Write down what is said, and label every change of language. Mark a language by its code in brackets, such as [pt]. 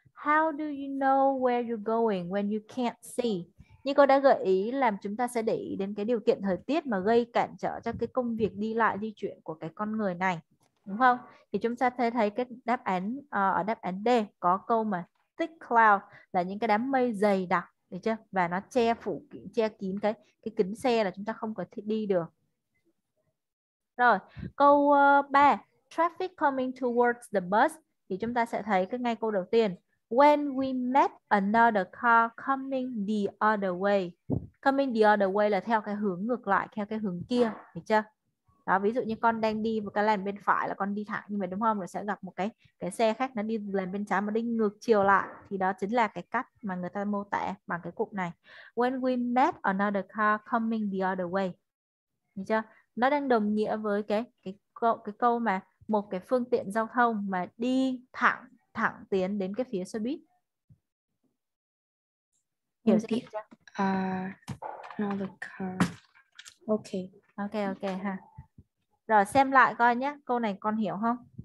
[en] How do you know where you're going when you can't see? [vi] Như cô đã gợi ý là chúng ta sẽ để ý đến cái điều kiện thời tiết mà gây cản trở cho cái công việc đi lại di chuyển của cái con người này, đúng không? Thì chúng ta thấy thấy cái đáp án ở đáp án D có câu mà [en] thick cloud [vi] là những cái đám mây dày đặc, được chưa? Và nó che phủ che kín cái kính xe là chúng ta không có thể đi được. Rồi, câu 3, [en] traffic coming towards the bus [vi] thì chúng ta sẽ thấy cái ngay câu đầu tiên. [en] When we met another car coming the other way. Coming the other way [vi] là theo cái hướng ngược lại, theo cái hướng kia, được chưa? Đó, ví dụ như con đang đi một cái làn bên phải là con đi thẳng, nhưng mà đúng không? Nó sẽ gặp một cái xe khác nó đi làn bên trái mà đi ngược chiều lại. Thì đó chính là cái cách mà người ta mô tả bằng cái cụm này. [en] When we met another car coming the other way. [vi] Được chưa? Nó đang đồng nghĩa với cái câu mà một cái phương tiện giao thông mà đi thẳng thẳng tiến đến cái phía xe buýt. Hiểu chưa? [en] Another car. Okay. [vi] Okay, okay ha. Rồi xem lại coi nhé. Câu này con hiểu không?